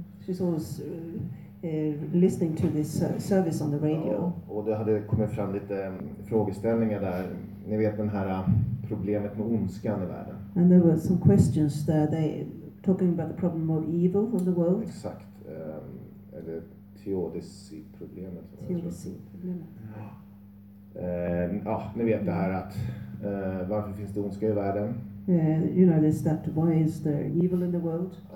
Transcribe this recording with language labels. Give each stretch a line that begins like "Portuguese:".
English: She's always listening to this service on the radio.
Swedish: Ja, och det hade kommit fram lite frågeställningar där. Ni vet den här problemet med ondskan i världen.
English: And there were some questions that they talking about the problem of evil in the world.
Swedish: Exakt. Eller teodicy-problemet. Teodicy-problemet. Ja, ni vet det här att varför finns det ondska i världen?
English: You know this, that why is there evil in the world?